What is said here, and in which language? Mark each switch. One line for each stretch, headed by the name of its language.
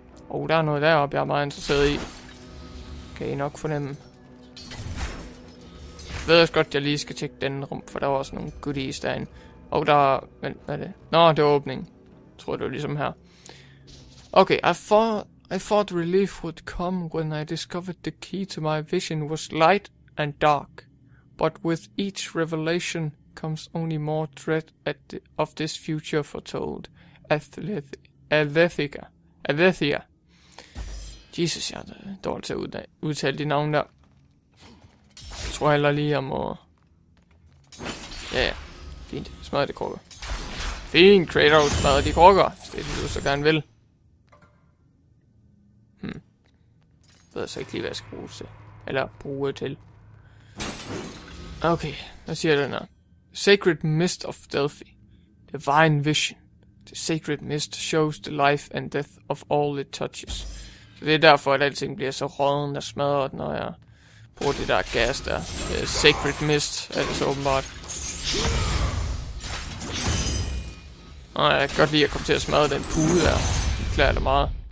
Danish: Oh, der er noget deroppe, jeg er meget interesseret i. Kan I nok fornemme. Jeg ved også godt, at jeg lige skal tjekke den rum, for der var også nogle goodies derinde. Oh, der er... Hvad er det? Nå, det var åbningen. Jeg tror, det var ligesom her. Okay,
English: I thought I thought relief would come when I discovered the key to my vision was light and dark. But with each revelation comes only more dread at the, of this future foretold. Alethia.
Danish: Jesus, jeg er dårlig til at udtale de navne der. Jeg tror heller lige, jeg må... Ja. Fint. Smadre de krukker. Fint, Kratos. Smadre de krukker. Det er det, du så gerne vil. Ved jeg så ikke lige, hvad jeg skal bruge til. Eller bruge til. Okay, hvad siger den her?
English: Sacred Mist of Delphi. Divine Vision. The Sacred Mist shows the life and death of all it touches.
Danish: Så det er derfor, at alting bliver så rådende og smadret, når jeg bruger det der gas der. Sacred Mist er det så åbenbart. Og jeg kan godt lide at komme til at smadre den pude der. Det klæder det meget.